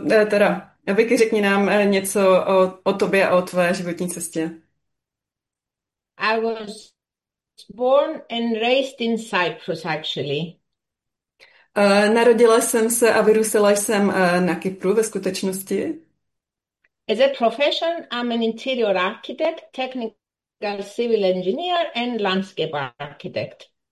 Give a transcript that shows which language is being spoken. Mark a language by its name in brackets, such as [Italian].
[Czech] Teda, Vicky, řekni nám něco o tobě a o tvé životní cestě. [English] I was born and raised in Cyprus, actually. [Czech] Narodila jsem se a vyrůstala jsem na Kypru ve skutečnosti. [English] As a profession, I'm an interior architect, technical civil engineer and landscape architect.